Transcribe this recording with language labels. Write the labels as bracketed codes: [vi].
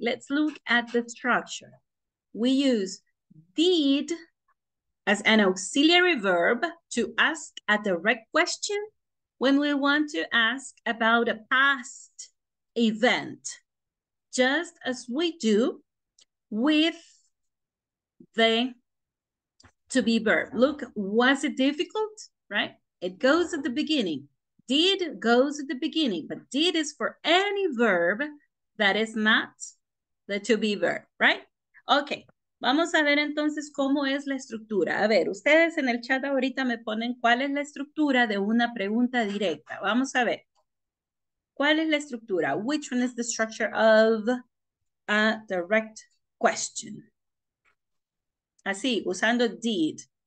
[en] Let's look at the structure. We use did as an auxiliary verb to ask a direct question when we want to ask about a past event, just as we do with the to be verb. Look, was it difficult, right? It goes at the beginning. Did goes at the beginning, but did is for any verb that is not the to be verb, right? [es] Okay, vamos a ver entonces cómo es la estructura. A ver, ustedes en el chat ahorita me ponen cuál es la estructura de una pregunta directa. Vamos a ver. ¿Cuál es la estructura? [en] Which one is the structure of a direct question? [es] Así, usando did.